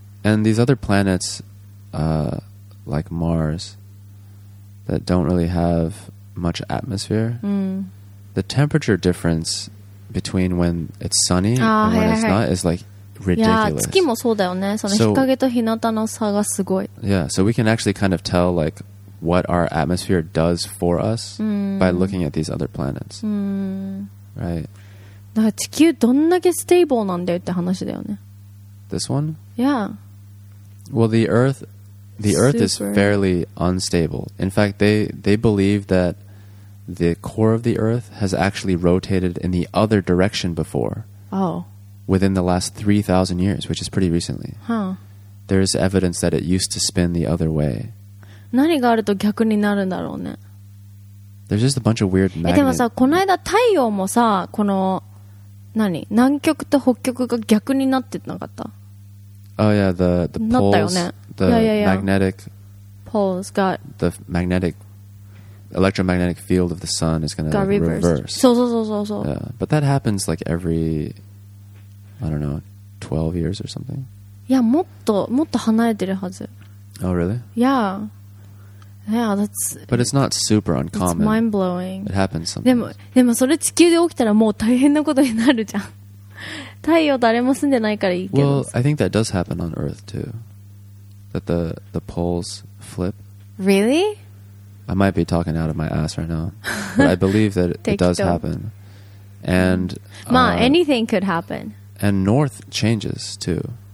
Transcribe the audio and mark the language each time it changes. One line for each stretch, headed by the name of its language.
English: And these other planets, like Mars, that don't really have much atmosphere, the temperature difference between when it's sunny and when it's not is like ridiculous.
Japanese: いや、月もそうだよね。その日陰と日向の差がすごい。
English: Yeah, so we can actually kind of tell like what our atmosphere does for us by looking at these other planets. Right? だから地球どんだけステーブルなんだよって話だよね。 This one? Yeah. Well, the Earth is fairly unstable. In fact, they believe that the core of the Earth has actually rotated in the other direction before. Oh. Within the last 3,000 years, which is pretty recently. Huh. There is evidence that it used to spin the other way.
Japanese: 何があると逆になるんだろうね。
English: There's just a bunch of weird magnets.
Japanese: でもさ、この間太陽もさ、この何南極と北極が逆になってなかった
English: Oh yeah, the poles
Japanese: なったよ、ね、
English: The yeah. magnetic poles got The magnetic electromagnetic field of the sun is gonna reverse
Japanese: そう
English: Yeah, but that happens like every I don't know 12 years or something
Japanese: いやもっと離れてるはず
English: Oh really? Yeah, that's... But it's not super uncommon. It's mind-blowing. It happens sometimes.
Japanese: でも、それ地球で起きたらもう大変なことになるじゃん。太陽誰も住んでないからいいけど。
English: Well, I think that does happen on Earth, too. That the poles flip. Really? I might be talking out of my ass right now. But I believe that it does happen. And...
Japanese: まあ、
English: anything could happen. And North changes, too.